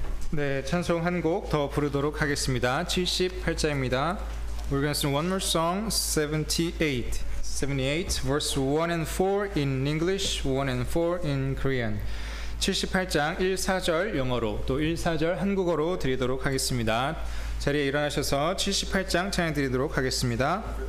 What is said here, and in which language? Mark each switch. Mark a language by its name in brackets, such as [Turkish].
[Korean] 네, 찬송 한 곡 더 부르도록 하겠습니다. 78장입니다. [English] We're going to sing one more song, 78 verse 1 and 4 in English, 1 and 4 in Korean. [Korean] 78장 1사절 영어로 또 1사절 한국어로 드리도록 하겠습니다. 자리에 일어나셔서 78장 찬양드리도록 하겠습니다.